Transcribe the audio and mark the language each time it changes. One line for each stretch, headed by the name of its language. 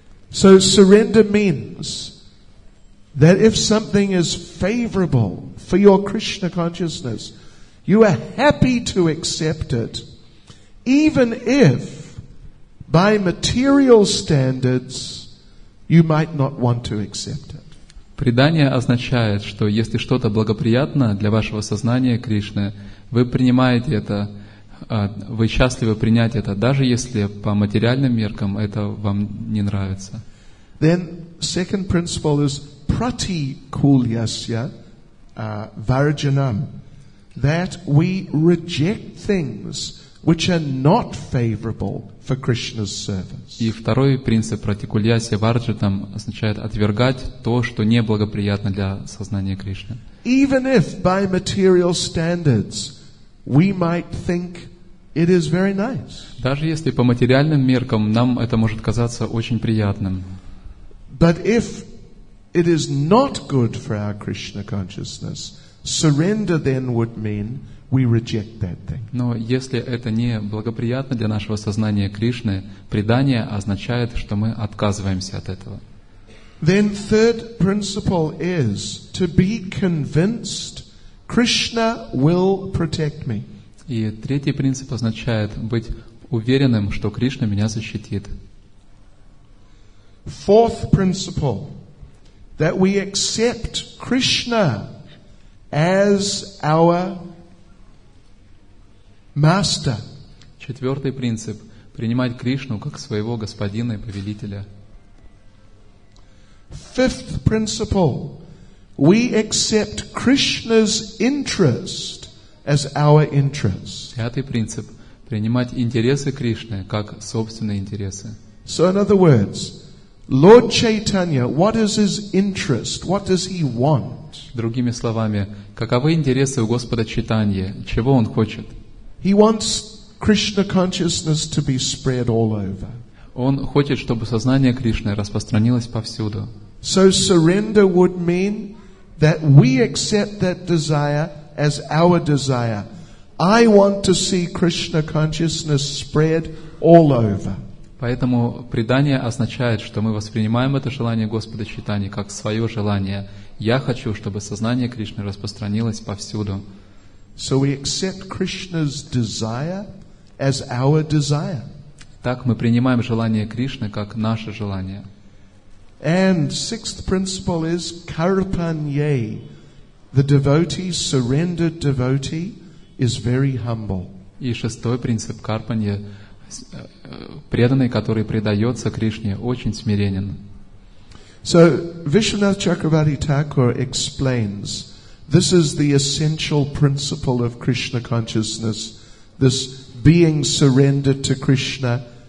English: So surrender means that if something is favorable for your Krishna consciousness, you are happy to accept it, even if by material standards you might not want to accept it.
Russian: Предание означает, что если что-то благоприятно для вашего сознания Кришны, вы принимаете это, вы счастливы принять это, даже если по материальным меркам это вам не нравится.
English: Then second principle is pratikulyasya varjanam, that we reject things which are not favorable for Krishna's service.
Russian: И второй принцип pratikulyasya varjanam означает отвергать то, что неблагоприятно для сознания Кришны.
English: Even if by material standards we might think it is very nice.
Russian: Даже если по материальным меркам нам это может казаться очень приятным.
English: But if it is not good for our Krishna consciousness, surrender then would mean we reject that thing.
Russian: Но если это не благоприятно для нашего сознания Кришны, предание означает, что мы отказываемся от этого.
English: Then third principle is to be convinced Krishna will protect me.
Russian: И третий принцип означает быть уверенным, что Кришна меня защитит.
English: Fourth principle, that we accept Krishna as our master.
Russian: Четвертый принцип — принимать Кришну как своего господина и повелителя.
English: Fifth principle, we accept Krishna's interest as our interest.
Russian: Пятый принцип — принимать интересы Кришны как собственные интересы.
English: So in other words, Lord Chaitanya, what is his interest? What does he want?
Russian: Другими словами, каковы интересы у Господа Чайтаньи? Чего он хочет?
English: He wants Krishna consciousness to be spread all over.
Russian: Он хочет, чтобы сознание Кришны распространилось повсюду.
English: So surrender would mean that we accept that desire as our desire. I want to see Krishna consciousness spread all over.
Russian: Поэтому предание означает, что мы воспринимаем это желание Господа Чайтаньи как свое желание. Я хочу, чтобы сознание Кришны распространилось повсюду.
English: So we accept Krishna's desire as our desire.
Russian: Так мы принимаем желание Кришны как наше желание.
English: And sixth principle is karpanye. The devotee, surrendered devotee, is very humble.
Russian: И шестой принцип карпанье. Преданный, который предается Кришне, очень смиренен.
English: So Vishwanath Chakravarti Thakur explains, this is the essential principle of Krishna consciousness, this being surrendered to Krishna,